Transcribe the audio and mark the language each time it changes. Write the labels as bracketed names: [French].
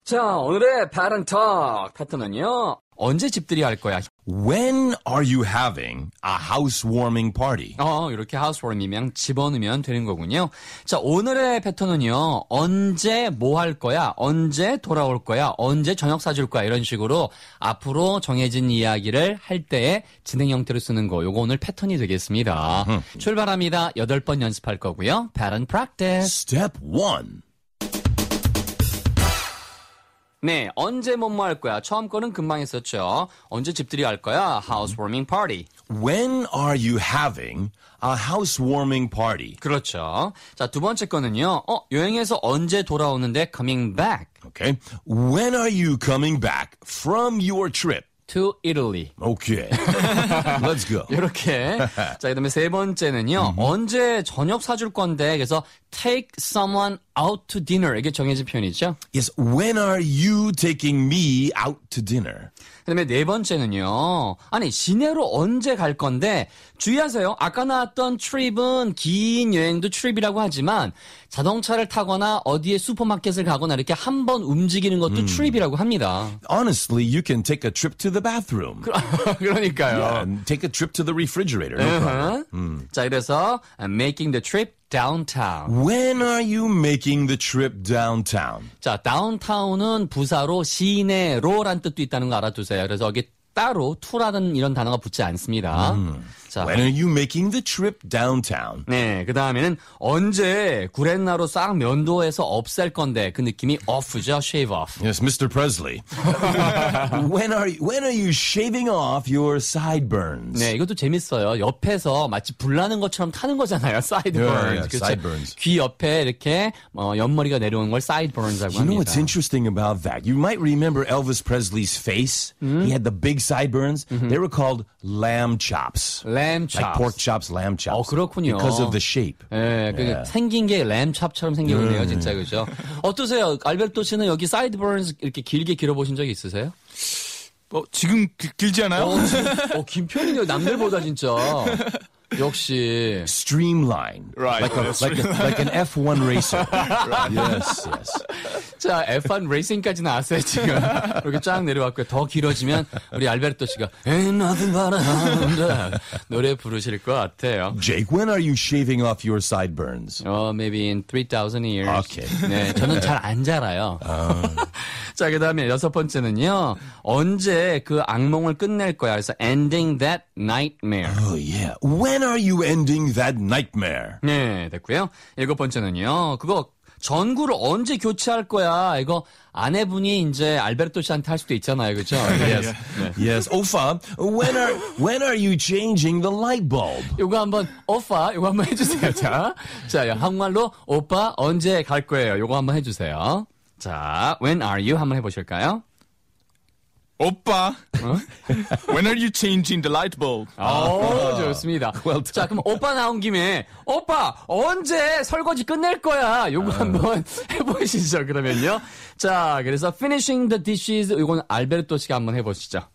[Korean] 자, 오늘의 Pattern Talk 패턴은요. 언제 집들이 할 거야? [English] When are you having a housewarming party? [Korean] 이렇게 housewarming이면 집어넣으면 되는 거군요. 자, 오늘의 패턴은요. 언제 뭐 할 거야? 언제 돌아올 거야? 언제 저녁 사줄 거야? 이런 식으로 앞으로 정해진 이야기를 할 때의 진행 형태로 쓰는 거. 요거 오늘 패턴이 되겠습니다. 출발합니다. 8번 연습할 거고요. [English] Pattern Practice. Step 1. [Korean] 네, 언제 뭐뭐 할 거야? 처음 거는 금방 했었죠. 언제 집들이 할 거야? [English] Housewarming party. When are you having a housewarming party? [Korean] 그렇죠. 자, 두 번째 거는요. 여행에서 언제 돌아오는데? [English] Coming back. Okay. When are you coming back from your trip? To Italy. Okay. Let's go. [Korean] 이렇게. 자, 그 다음에 세 번째는요. Mm-hmm. 언제 저녁 사줄 건데? 그래서 [English] take someone out to dinner. [Korean] 이게 정해진 표현이죠. [English] Yes. When are you taking me out to dinner? [Korean] 그 다음에 네 번째는요. 아니, 시내로 언제 갈 건데? 주의하세요. 아까 나왔던 trip은 긴 여행도 trip이라고 하지만 자동차를 타거나 어디에 슈퍼마켓을 가거나 이렇게 한 번 움직이는 것도 trip이라고 합니다. [English] Honestly, you can take a trip to the bathroom. [Korean] 그러니까요. [English] Yeah, take a trip to the refrigerator. No problem. [Korean] 자, 그래서 [English] I'm making the trip downtown. When are you making the trip downtown? [Korean] 자, downtown은 부사로 시내로란 뜻도 있다는 거 알아두세요. 그래서 여기 따로 to라는 이런 단어가 붙지 않습니다. [English] When are you making the trip downtown? [Korean] 네, 그 다음에는 언제 구렛나루 싹 면도해서 없앨 건데 그 느낌이 off죠, shave off. [English] Yes, Mr. Presley. When are you shaving off your sideburns? [Korean] 네, 이것도 재밌어요. 옆에서 마치 불나는 것처럼 타는 거잖아요, sideburns. [English] Yeah, yeah, sideburns. [Korean] 귀 옆에 이렇게 옆머리가 내려오는 걸 sideburns라고 합니다. [English] You know what's interesting about that? You might remember Elvis Presley's face. He had the big sideburns. They were called lamb chops. Lamb chops. Like pork chops, lamb chops. [Korean] 그렇군요. [English] Because of the shape. [Korean] 예, 그 yeah. 생긴 게 lamb chop처럼 생겼네요, 진짜, 그죠? 어떠세요? 알베르토 씨는 여기 sideburns 이렇게 길게 길어보신 적이 있으세요? 지금 길지 않아요? 긴 편이네요, 남들보다 진짜. 역시 [English] streamline, right? Like an F1 racer. Right. Yes. [Korean] 자, F1 racing까지 나왔어요 지금. 이렇게 쫙 내려왔고요. 더 길어지면 우리 알베르토 씨가 [English] Ain't nothing but a hound dog [Korean] 노래 부르실 것 같아요. [English] Jake, when are you shaving off your sideburns? Maybe in 3,000 years. Okay. [Korean] 네, 저는 잘 안 자라요. 자, 그다음에 여섯 번째는요. 언제 그 악몽을 끝낼 거야? 그래서 [English] ending that nightmare. Oh yeah. When are you ending that nightmare? [Korean] 네, 됐고요. 일곱 번째는요. 그거 전구를 언제 교체할 거야? 이거 아내분이 이제 알베르토 씨한테 할 수도 있잖아요. 그렇죠? [English] Yes. Yeah. [Korean] 네. [English] Yes. Ofa, when are you changing the light bulb? [Korean] 이거 한번 오빠, 이거 한번 해 주세요. 자. 자, 한국말로 오빠 언제 갈 거예요? 이거 한번 해 주세요. 자, [English] when are you [Korean] 한번 해 보실까요? [English] 오빠, when are you changing the light bulb? [Korean] 좋습니다. [English] Well done. [Korean] 자, 그럼 오빠 나온 김에, 오빠, 언제 설거지 끝낼 거야? 요거 한번 해보시죠, 그러면요. 자, 그래서 [English] finishing the dishes, [Korean] 이건 알베르토 씨가 한번 해보시죠.